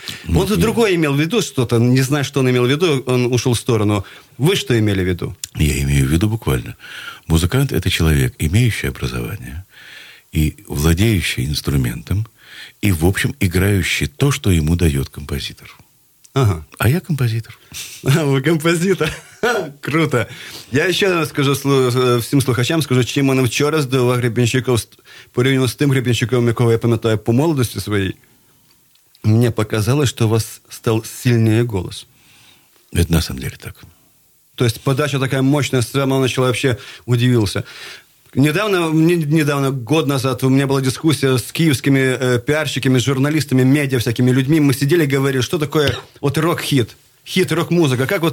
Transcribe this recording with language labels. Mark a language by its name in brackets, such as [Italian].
[Russian] Ну, он другой имел в виду что-то, не знаю, что он имел в виду, он ушел в сторону. Вы что имели в виду? Я имею в виду буквально. Музыкант – это человек, имеющий образование и владеющий инструментом, и, в общем, играющий то, что ему дает композитор. Ага. А я композитор. Вы композитор. Круто. [Ukrainian] Я еще скажу всім слухачам, скажу, чим мене вчора здивував Гребенщиков порівняно з тим Гребенщиком, якого я пам'ятаю по молодості своїй. Мені показалось, що у вас став сильнее голос. [Russian] Это на самом деле так. То есть подача такая мощная, сама начала вообще удивился. Недавно, год назад, у меня была дискуссия с киевскими пиарщиками, журналистами, медиа всякими людьми. Мы сидели и говорили, что такое вот рок-хит. Хит, рок-музыка.